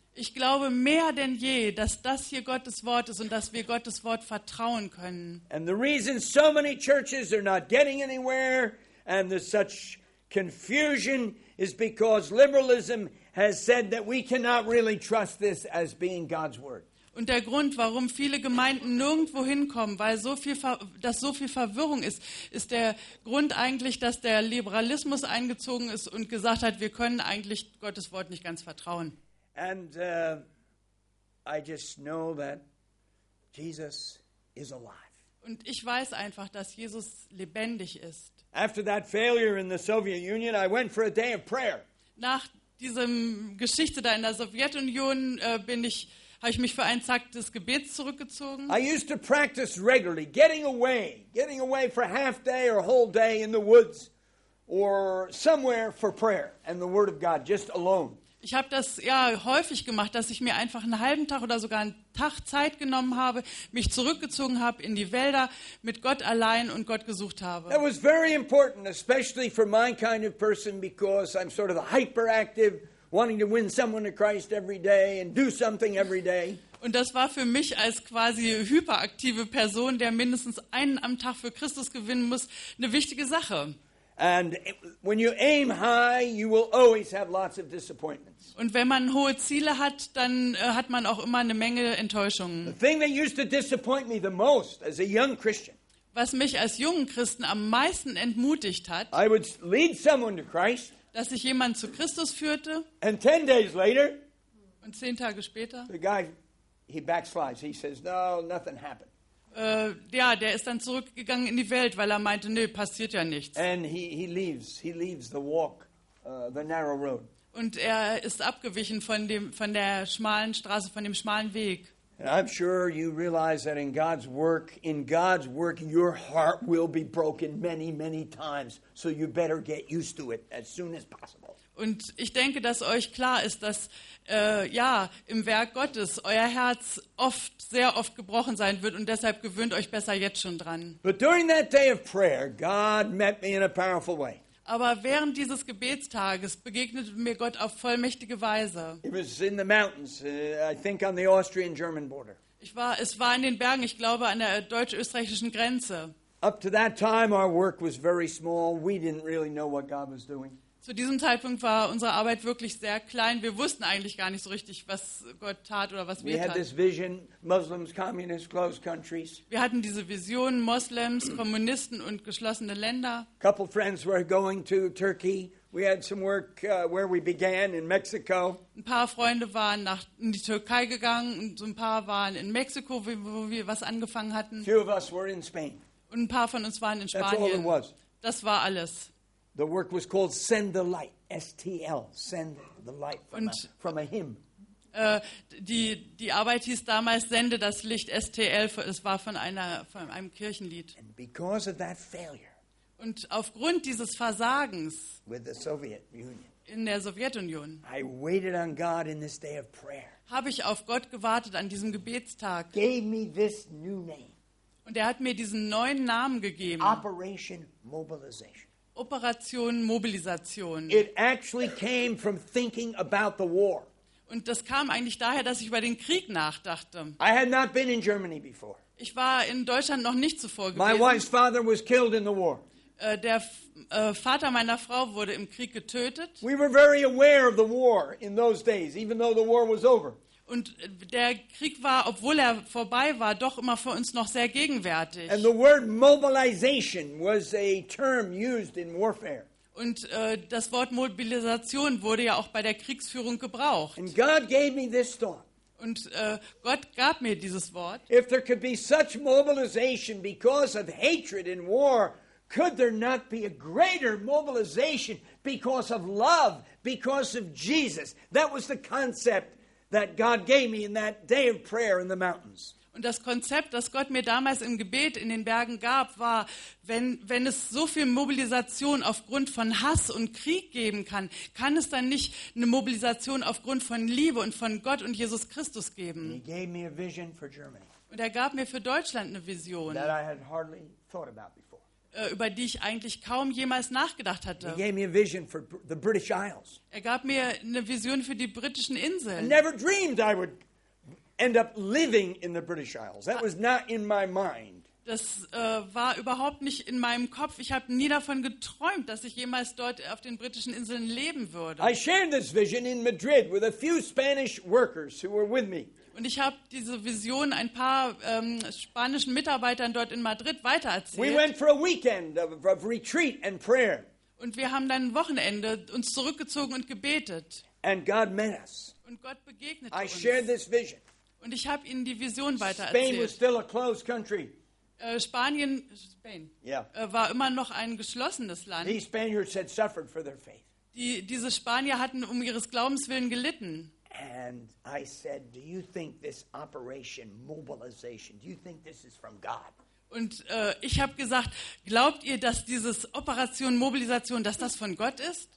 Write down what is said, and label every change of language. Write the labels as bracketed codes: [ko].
[de] Ich glaube mehr denn je, dass das hier Gottes Wort ist und dass wir Gottes Wort vertrauen können. [en] And the reason so many churches are not getting anywhere and there's such confusion is because liberalism has said that we cannot really trust this as being God's word. [de] Und der Grund, warum viele Gemeinden nirgendwo hinkommen, weil so viel Verwirrung ist, ist der Grund eigentlich, dass der Liberalismus eingezogen ist und gesagt hat, wir können eigentlich Gottes Wort nicht ganz vertrauen. [en] And I just know that Jesus is alive. [de] Und ich weiß einfach, dass Jesus lebendig ist. [en] After that failure in the Soviet Union, I went for a day of prayer. [de] Nach diesem Geschichte da in der Sowjetunion habe ich mich für einen Tag des Gebets zurückgezogen. [en] I used to practice regularly, getting away for half day or whole day in the woods or somewhere for prayer and the Word of God, just alone. [de] Ich habe das ja häufig gemacht, dass ich mir einfach einen halben Tag oder sogar einen Tag Zeit genommen habe, mich zurückgezogen habe in die Wälder mit Gott allein und Gott gesucht habe. [en] That was very important, especially for my kind of person, because I'm sort of hyperactive, wanting to win someone to Christ every day and do something every day. [de] Und das war für mich als quasi hyperaktive Person, der mindestens einen am Tag für Christus gewinnen muss, eine wichtige Sache. [en] And when you aim high, you will always have lots of disappointments. [de] Und wenn man hohe Ziele hat, dann hat man auch immer eine Menge Enttäuschungen. [en] The thing that used to disappoint me the most as a young Christian. [de] Was mich als jungen Christen am meisten entmutigt hat. [en] I would lead someone to Christ. [de] Dass ich jemanden zu Christus führte. [en] And 10 days later. [de] Und 10 Tage später. [en] The guy, he backslides. He says, no, nothing happened. [de] Ja, der ist dann zurückgegangen in die Welt, weil er meinte, nö, passiert ja nichts. [en] And he leaves the walk, the narrow road. [de] Und er ist abgewichen von der schmalen Straße, von dem schmalen Weg. [en] And I'm sure you realize that in God's work, your heart will be broken many, many times. So you better get used to it as soon as possible. [de] Und ich denke, dass euch klar ist, dass im Werk Gottes euer Herz oft, sehr oft gebrochen sein wird und deshalb gewöhnt euch besser jetzt schon dran. [en] But during that day of prayer, God met me in a powerful way. [de] Aber während dieses Gebetstages begegnete mir Gott auf vollmächtige Weise. [en] It was in the mountains, I think on the Austrian-German border. [de] Es war in den Bergen, ich glaube an der deutsch-österreichischen Grenze. [en] Up to that time our work was very small, we didn't really know what God was doing. [de] Zu diesem Zeitpunkt war unsere Arbeit wirklich sehr klein. Wir wussten eigentlich gar nicht so richtig, was Gott tat oder was wir taten. [en] This vision, Muslims, communists, closed countries. [de] Wir hatten diese Vision, Moslems, Kommunisten und geschlossene Länder. [en] Couple friends were going to Turkey. We had some work where we began in Mexico. [de] Ein paar Freunde waren nach in die Türkei gegangen und so ein paar waren in Mexiko, wo wir was angefangen hatten. [en] Few of us were in Spain. [de] Und ein paar von uns waren in Spanien. [en] That's all it was. [de] Das war alles. [en] The work was called Send the Light, STL, Send the Light from a hymn. [de] Die Arbeit hieß damals Sende das Licht, STL, es war von einem Kirchenlied. [en] And because of that failure. [de] Und aufgrund dieses Versagens [en] with the Soviet Union. [de] In der Sowjetunion. [en] I waited on God in this day of prayer. [de] Habe ich auf Gott gewartet an diesem Gebetstag. [en] Gave me this new name. [de] Und er hat mir diesen neuen Namen gegeben. [en] Operation Mobilization. [de] Operation Mobilisation. [en] It actually came from thinking about the war. [de] Und das kam eigentlich daher, dass ich über den Krieg nachdachte. [en] I had not been in Germany before. [de] Ich war in Deutschland noch nicht zuvor gewesen. [en] My wife's father was killed in the war. [de] Der Vater meiner Frau wurde im Krieg getötet. [en] We were very aware of the war in those days, even though the war was over. [de] Und der Krieg war, obwohl er vorbei war, doch immer für uns noch sehr gegenwärtig. [en] And the word mobilization was a term used in warfare. [de] Und das Wort Mobilisation wurde ja auch bei der Kriegsführung gebraucht. [en] And God gave me this thought. [de] Und Gott gab mir dieses Wort. [en] If there could be such mobilization because of hatred in war, could there not be a greater mobilization because of love, because of Jesus? That was the concept that God gave me in that day of prayer in the mountains. [de] Und das Konzept, das Gott mir damals im Gebet in den Bergen gab, war, wenn es so viel Mobilisation aufgrund von Hass und Krieg geben kann, kann es dann nicht eine Mobilisation aufgrund von Liebe und von Gott und Jesus Christus geben? [en] He gave me a vision for Germany. [de] Und er gab mir für Deutschland eine Vision. [en] That I had hardly thought about before. [de] Über die ich eigentlich kaum jemals nachgedacht hatte. [en] He gave me a vision for the British Isles. [de] Er gab mir eine Vision für die britischen Inseln. [en] I never dreamed I would end up living in the British Isles. That was not in my mind. [de] Das war überhaupt nicht in meinem Kopf. Ich habe nie davon geträumt, dass ich jemals dort auf den britischen Inseln leben würde. [en] I shared this vision in Madrid with a few Spanish workers who were with me. [de] Und ich habe diese Vision ein paar spanischen Mitarbeitern dort in Madrid weitererzählt. [en] We went for a weekend of retreat and prayer. [de] Und wir haben dann ein Wochenende uns zurückgezogen und gebetet. [en] And God met us. [de] Und Gott begegnete uns. [en] I shared this vision. [de] Und ich habe ihnen die Vision weitererzählt. [en] Spain was still a closed country. [de] Spanien, war immer noch ein geschlossenes Land. [en] These Spaniards had suffered for their faith. [de] Diese Spanier hatten um ihres Glaubens willen gelitten. [en] And I said, do you think this operation mobilization, do you think this is from God? [de] Und ich habe gesagt, glaubt ihr, dass dieses Operation Mobilisation, dass das von Gott ist?